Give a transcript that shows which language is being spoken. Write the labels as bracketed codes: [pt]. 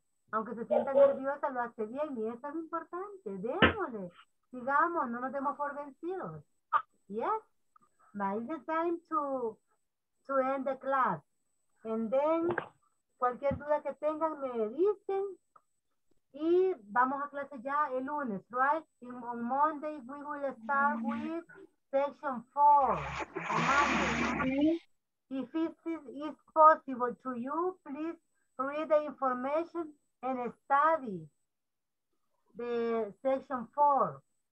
[es] Aunque se sienta nerviosa, lo hace bien y eso es importante. Démosle. Sigamos, no nos demos por vencidos. [en] Yes. But it's the time to end the class. And then, [es] cualquier duda que tengan, me dicen. Y vamos a clase ya el lunes, right? [en] In, on Monday, we will start with section 4. If it is possible to you, please read the information and study the section 4.